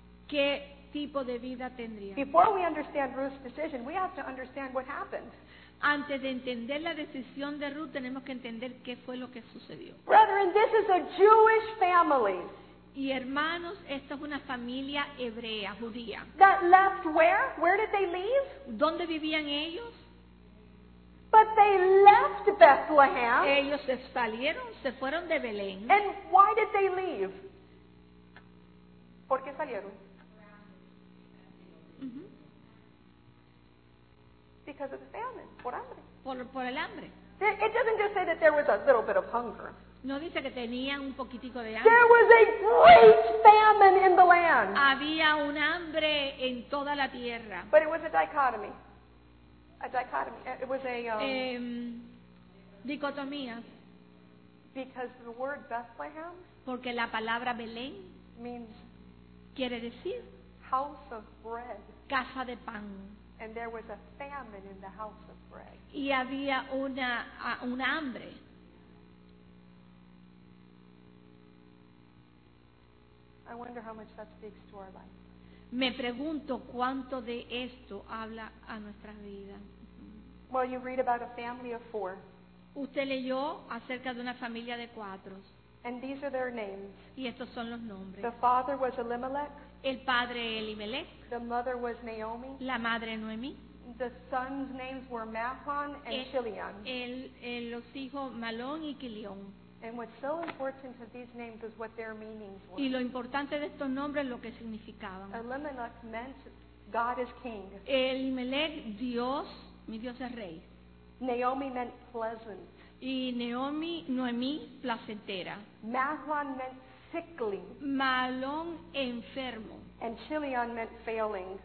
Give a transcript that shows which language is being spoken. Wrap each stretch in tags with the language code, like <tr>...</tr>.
<es>¿Qué tipo de vida tendríamos?</es> <en>Before we understand Ruth's decision, we have to understand what happened.</en> <es>Antes de entender la decisión de Ruth, tenemos que entender qué fue lo que sucedió.</es> <en>Brethren, this is a Jewish family.</en> <es>Y hermanos, esta es una familia hebrea, judía.</es> <en>That left where? Where did they leave?</en> <es>¿Dónde vivían ellos?</es> <en>But they left Bethlehem.</en> <es>Ellos se salieron, se fueron de Belén.</es> <en>And why did they leave?</en> <es>¿Por qué salieron?</es> <en>Because of the famine,</en> <es>por hambre. Por el hambre.</es> <en>It doesn't just say that there was a little bit of hunger.</en> <es>No dice que tenían un poquitico de hambre.</es> <en>There was a great famine in the land.</en> <es>Había un hambre en toda la tierra.</es> <en>But it was a dichotomy. A dichotomy. It was a</en> <es>dicotomía.</es> <en>Because the word Bethlehem.</en> <es>Porque la palabra Belén</es> <en>means.</en> <es>Quiere decir.</es> <en>House of bread.</en> <es>Casa de pan.</es> <en>And there was a famine in the house of bread.</en> <es>Y había un hambre.</es> <en>I wonder how much that speaks to our life.</en> <es>Me pregunto cuánto de esto habla a nuestra vida.</es> <en>Well, you read about a family of four.</en> <es>Usted leyó acerca de una familia de cuatro.</es> <en>And these are their names.</en> <es>Y estos son los nombres.</es> <en>The father was Elimelech.</en> <es>El padre Elimelech.</es> <en>The mother was Naomi.</en> <es>La madre Noemi.</es> <en>The sons' names were Mahlon and Chilion.</en> <es>Los hijos Mahlon y Chilion.</es> <en>And what's so important to these names is what their meanings were.</en> <es>Y lo importante de estos nombres es lo que significaban.</es> <en>Elimelech meant God is king.</en> <es>Elimelech, Dios, mi Dios es rey.</es> <en>Naomi meant pleasant.</en> <es>Y Noemi, placentera.</es> <en>Mahlon meant sickly.</en> <es>Mahlon, enfermo.</es> <en>And Chilion meant failing.</en>